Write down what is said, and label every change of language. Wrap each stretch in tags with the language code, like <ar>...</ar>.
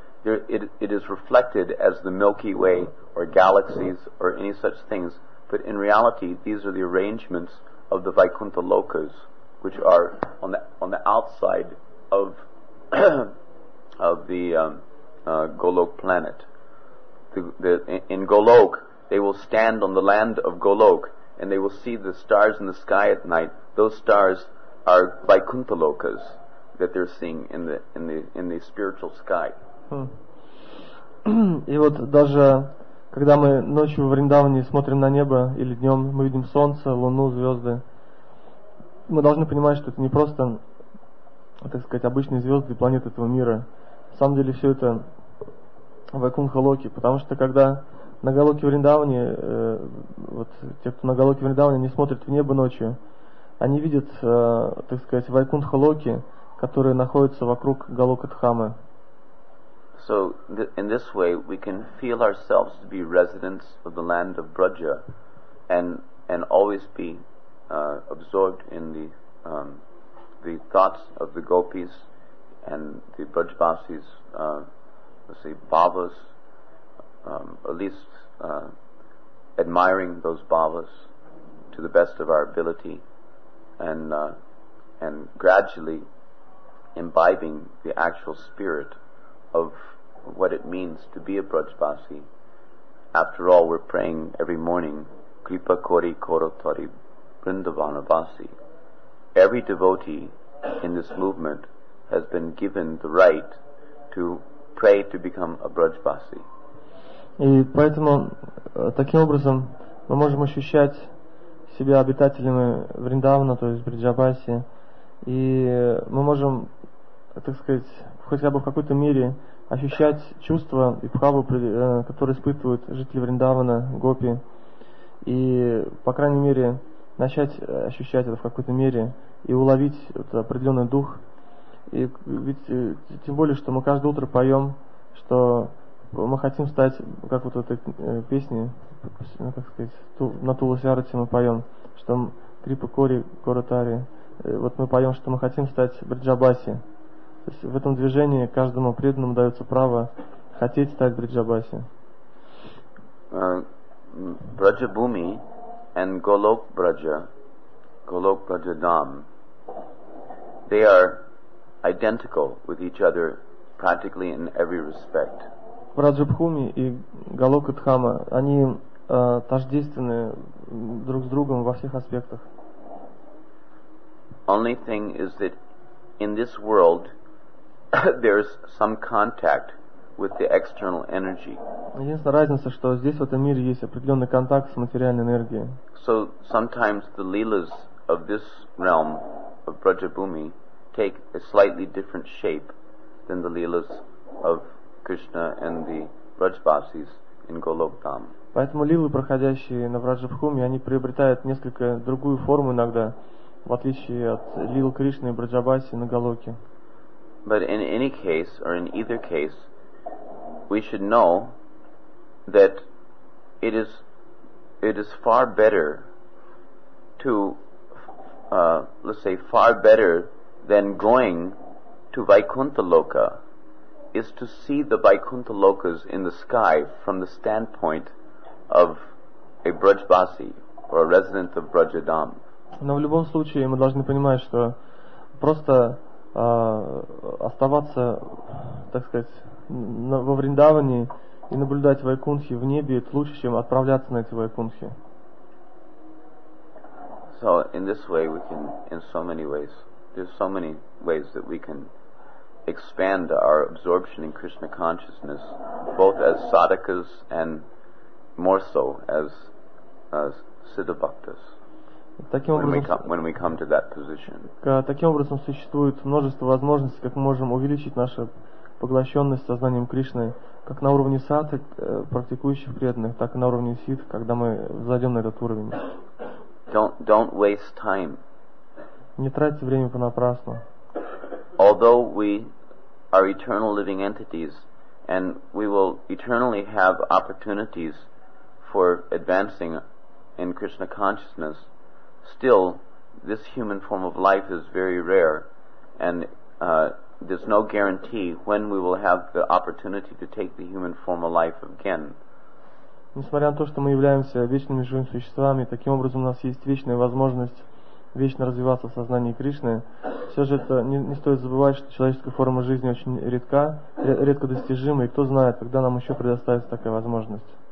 <en>there it is reflected as the Milky Way or galaxies or any such things, but in reality these are the arrangements of the Vaikuntha Lokas, which are on the outside of of the Golok planet. In Golok, they will stand on the land of Golok, and they will see the stars in the sky at night. Those stars are Vaikuntha Lokas that they're seeing in the spiritual sky.</en> <ru>И вот даже когда мы ночью в Вриндаване смотрим на небо или днем мы видим солнце, луну, звезды. Мы должны понимать, что это не просто, так сказать, обычные звезды и планеты этого мира. На самом деле все это Вайкунха Локи, потому что когда на Голоке Вриндаване, вот те, кто на Голоке Вриндаване, они смотрят в небо ночью, они видят, так сказать, Вайкунха Локи, которые находятся вокруг Голока Дхамы.</ru> <en>So in this way we can feel ourselves to be residents of the land of Braja and always be absorbed in the thoughts of the gopis and the Brajvasis, let's say, bhavas, at least admiring those bhavas to the best of our ability, and gradually imbibing the actual spirit of what it means to be a Brajvasi. After all, we're praying every morning, Kripa Kori Koro Tori Vrindavanavasi. every devotee in this movement has been given the right to pray to become a Brajbasi.</en> <ru>И поэтому таким образом мы можем ощущать себя обитателями Вриндавана, то есть Бриджабаси, и мы можем, так сказать, хотя бы в какой-то мере ощущать чувства и бхаву, которые испытывают жители Вриндавана, гопи, и, по крайней мере, начать ощущать это в какой-то мере и уловить этот определенный дух. И ведь тем более, что мы каждое утро поем, что мы хотим стать, как вот в этой песне, как сказать, на Тулусярате мы поем, что Крипа Кори, Коротари, вот мы поем, что мы хотим стать Бриджабаси. То есть в этом движении каждому преданному дается право хотеть стать Бриджабаси.</ru> <en>Браджабуми and Golok Braja, Golok Braja Dham, they are identical with each other practically in every respect.</en> <ru>Браджабхуми и Голока Дхама, они тождественны друг с другом во всех аспектах.</ru> <en>Only thing is that in this world there's some contact with the external energy.</en> <ru>Единственная разница, что здесь, в этом мире, есть определенный контакт с материальной энергией.</ru> <en>So sometimes the leelas of this realm of Brajabhumi take a slightly different shape than the leelas of Krishna and the Brajbasis in Golok Dham.</en> <ru>Поэтому лилы, проходящие на Враджабхуме, они приобретают несколько другую форму иногда, в отличие от лил Кришны и Браджабаси на Голоке.</ru> <en>But in any case, or in either case, we should know that it is far better to, let's say, far better than going to Vaikuntha Loka is to see the Vaikuntha Lokas in the sky from the standpoint of a Brajbasi or a resident of Brajadham.</en> <ru>Но в любом случае мы должны понимать, что просто оставаться, так сказать, во Вриндаване и наблюдать Вайкунтхи в небе это лучше, чем отправляться на эти Вайкунтхи.</ru> <en>So in this way we can, in so many ways, there's so many ways that we can expand our absorption in Krishna consciousness, both as sadhakas and more so as siddha bhaktas. When we come to that position.</en> <ru>Таким образом существует множество возможностей, как мы можем увеличить нашу поглощенность сознанием Кришны, как на уровне садхак, практикующих преданных, так и на уровне сиддх, когда мы зайдем на этот уровень.</ru> <en>Don't waste time.</en> <ru>Не тратьте время понапрасну.</ru> <en>Although we are eternal living entities, and we will eternally have opportunities for advancing in Krishna consciousness, still, this human form of life is very rare, and there's no guarantee when we will have the opportunity to take the human form of life again.</en> <ru>Несмотря на то, что мы являемся вечными живыми существами, таким образом у нас есть вечная возможность вечно развиваться в сознании Кришны, все же это не стоит забывать, что человеческая форма жизни очень редка, редко достижима, и кто знает, когда нам еще предоставится такая возможность.</ru>